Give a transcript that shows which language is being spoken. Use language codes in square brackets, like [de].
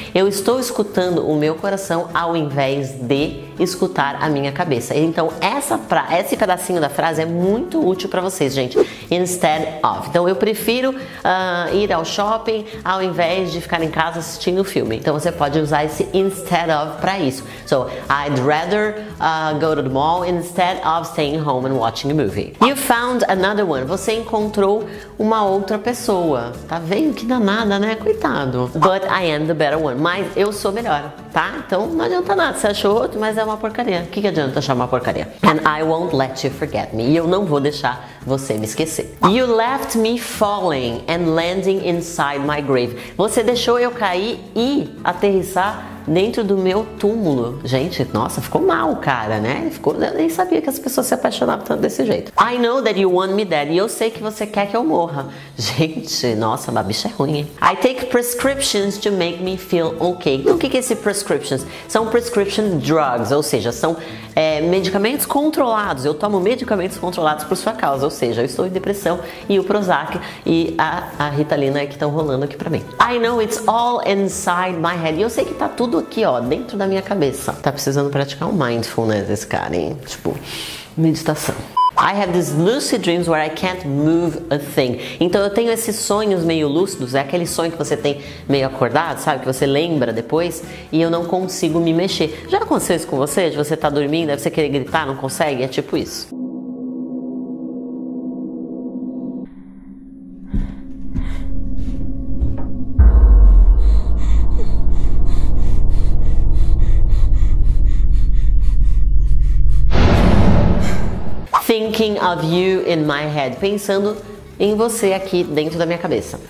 [pt] Eu estou escutando o meu coração ao invés de escutar a minha cabeça. Então esse pedacinho da frase é muito útil para vocês, gente. Instead of. Então eu prefiro ir ao shopping ao invés de ficar em casa assistindo filme. Então você pode usar esse instead of para isso. [en] So I'd rather go to the mall instead of staying home and watching a movie. You found another one. [pt] Você encontrou uma outra pessoa. Tá vendo que danada, né? Coitado. [en] But I am the better one. [pt] Mas eu sou melhor, tá? Então não adianta nada. Você achou outro, mas é uma porcaria. O que, que adianta achar uma porcaria? [en] And I won't let you forget me. [pt] E eu não vou deixar você me esquecer. [en] You left me falling and landing inside my grave. [pt] Você deixou eu cair e aterrissar dentro do meu túmulo. Gente, nossa, ficou mal o cara, né? Ficou, eu nem sabia que as pessoas se apaixonavam tanto desse jeito. [en] I know that you want me dead. [pt] E eu sei que você quer que eu morra. Gente, nossa, a bicha é ruim, hein? [en] I take prescriptions to make me feel okay. [pt] Então, o que é esse prescriptions? São prescription drugs, ou seja, são medicamentos controlados. Eu tomo medicamentos controlados por sua causa. Ou seja, eu estou em depressão e o Prozac e a Ritalina é que estão rolando aqui pra mim. [en] I know it's all inside my head. [pt] E eu sei que tá tudo aqui, ó, dentro da minha cabeça. Tá precisando praticar um mindfulness esse cara, hein? Tipo, meditação. [en] I have these lucid dreams where I can't move a thing. [pt] Então eu tenho esses sonhos meio lúcidos, é aquele sonho que você tem meio acordado, sabe? Que você lembra depois e eu não consigo me mexer. Já aconteceu isso com você? De você estar dormindo, deve você querer gritar, não consegue? É tipo isso. [en] Thinking of you in my head. [pt] Pensando em você aqui dentro da minha cabeça.